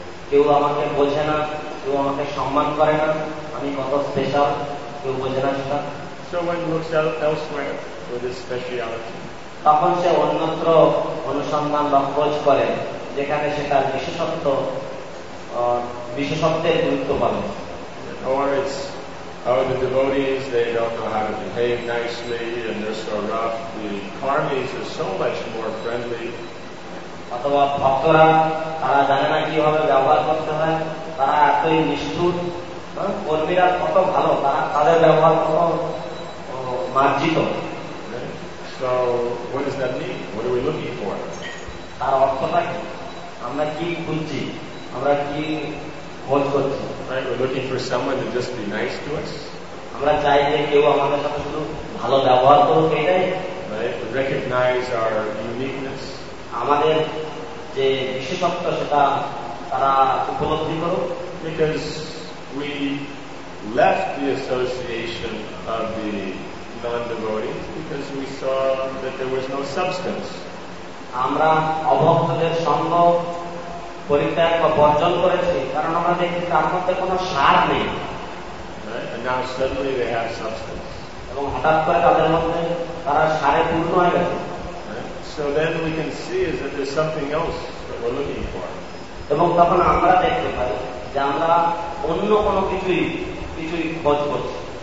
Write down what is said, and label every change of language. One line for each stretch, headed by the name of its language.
Bangla: কেউ আমাকে বোঝে না, কেউ আমাকে সম্মান করে না, আমি কত স্পেশাল কেউ বোঝে না সেটা।
English: So one looks elsewhere for this speciality.
Bangla: তখন সে অন্যত্র অনুসন্ধান বা খোঁজ করে যেখানে সেটা বিশেষত্ব বিশেষত্বের গুরুত্ব পাবে।
English: Or it's how the devotees, they don't know how to behave nicely and they're so rough. The karmis are so much more friendly.
Bangla: অথবা ভক্তরা তারা জানে না কিভাবে ব্যবহার করতে হয়, তারা এতই নিষ্ঠুর, কর্মীরা কত ভালো, তারা তাদের ব্যবহার কত মার্জিত।
English: So what does that mean? What are we looking for?
Bangla: তার অর্থটা কি? আমরা কি খুঁজছি? আমরা কি খোঁজ করছি?
English: Right, we're looking for someone to just be nice to us.
Bangla: আমরা চাই যে কেউ আমাদের সাথে শুধু ভালো ব্যবহার করুক এটাই।
English: Right, to recognize our uniqueness.
Bangla: আমাদের যে বিশেষত্ব সেটা তারা উপলব্ধি করুক।
English: Because we left the association of the non-devotees because we saw that there was no substance.
Bangla: আমরা অভক্তদের সঙ্গ পরিত্যাগ বা বর্জন করেছি কারণ আমরা দেখি তার মধ্যে কোন সার নেই.
English: And now suddenly they have substance.
Bangla: এবং হঠাৎ করে তাদের মধ্যে তারা সারে পূর্ণ হয়ে গেছে.
English: So then we can see is that there's something else that we're looking for.
Bangla: এবং তখন আমরা দেখতে পাই যে আমরা অন্য কোন কিছুই খোঁজ করছি.